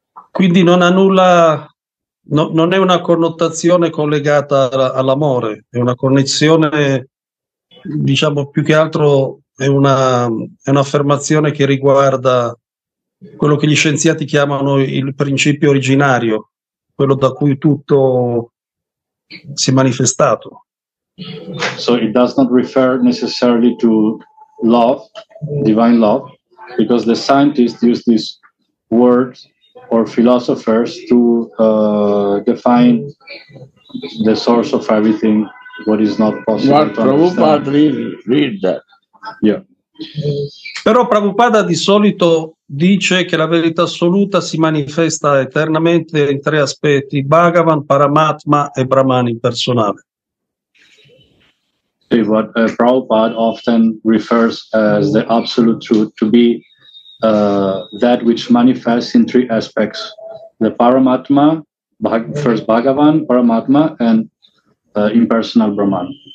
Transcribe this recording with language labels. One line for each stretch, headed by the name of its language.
Italian: Quindi non ha nulla, no, non è una connotazione collegata all'amore, è una connessione, diciamo, più che altro è un'affermazione che riguarda quello che gli scienziati chiamano il principio originario, quello da cui tutto si è manifestato.
English: So it does not refer necessarily to love, divine love, because the scientists use this word or philosophers to define the source of everything, what is not possible to understand. Read that. Yeah.
Italian: Però Prabhupada di solito dice che la verità assoluta si manifesta eternamente in tre aspetti: Bhagavan, Paramatma e Brahman impersonale.
English: See, what Prabhupada often refers as the absolute truth to be that which manifests in three aspects: the Paramatma, first Bhagavan, Paramatma, and impersonal Brahman.